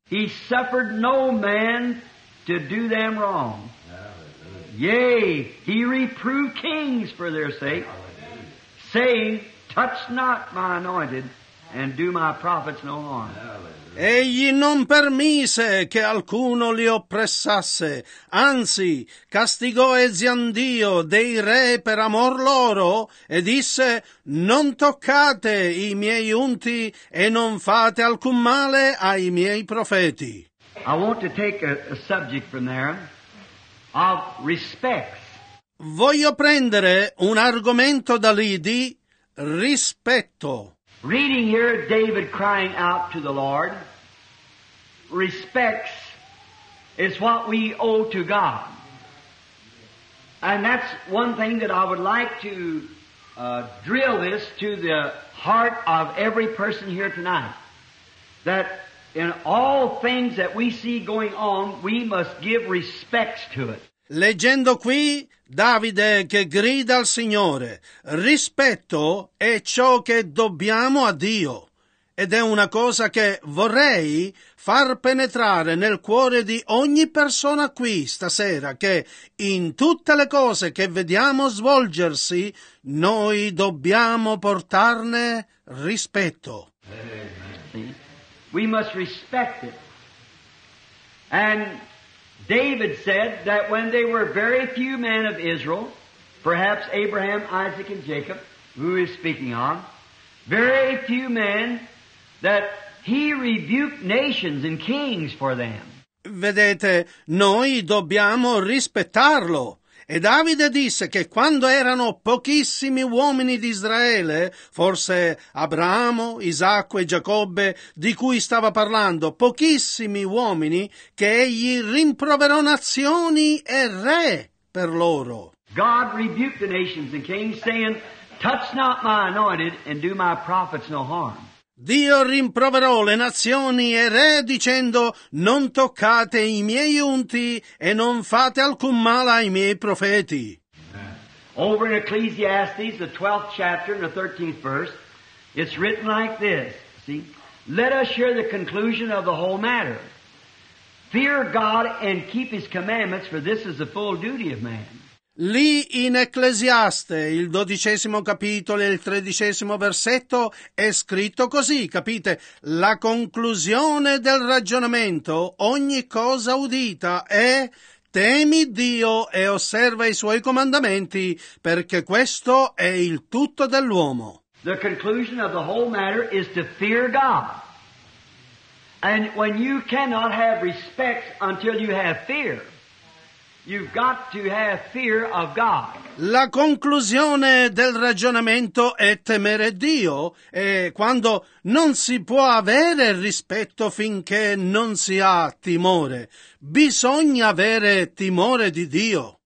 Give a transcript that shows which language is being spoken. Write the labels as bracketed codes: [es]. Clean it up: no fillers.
[en] He suffered no man to do them wrong. Yea, he reproved kings for their sake, saying, touch not my anointed, and do my prophets no harm. [it] Egli non permise che alcuno li oppressasse, anzi castigò Eziandio dei re per amor loro e disse, non toccate i miei unti e non fate alcun male ai miei profeti. [en] I want to take a subject from there of respect. [it] Voglio prendere un argomento da lì di rispetto. [en] Reading here David crying out to the Lord. Respects It's what we owe to God. And that's one thing that I would like to drill this to the heart of every person here tonight. That in all things that we see going on, we must give respects to it. [it] Leggendo qui, Davide che grida al Signore, rispetto è ciò che dobbiamo a Dio, ed è una cosa che vorrei far penetrare nel cuore di ogni persona qui stasera, che in tutte le cose che vediamo svolgersi, noi dobbiamo portarne rispetto. [en] We must respect it. And David said that when there were very few men of Israel, perhaps Abraham, Isaac, and Jacob, who is speaking on, very few men, that he rebuked nations and kings for them. [it] Vedete, noi dobbiamo rispettarlo. E Davide disse che quando erano pochissimi uomini di Israele, forse Abramo, Isacco e Giacobbe, di cui stava parlando, pochissimi uomini, che egli rimproverò nazioni e re per loro. [en] God rebuked the nations and kings, saying, touch not my anointed and do my prophets no harm. [it] Dio rimproverò le nazioni e re dicendo, non toccate i miei unti e non fate alcun male ai miei profeti. [en] Over in Ecclesiastes, the 12th chapter and the 13th verse, it's written like this, see? Let us hear the conclusion of the whole matter. Fear God and keep His commandments, for this is the full duty of man. [it] Lì in Ecclesiaste, il 12° capitolo e il 13° versetto, è scritto così, capite? La conclusione del ragionamento, ogni cosa udita, è temi Dio e osserva i Suoi comandamenti, perché questo è il tutto dell'uomo. [en] The conclusion of the whole matter is to fear God. And when you cannot have respect until you have fear, you've got to have fear of God. [it] La conclusione del ragionamento è temere Dio, e quando non si può avere rispetto finché non si ha timore, bisogna avere timore di Dio.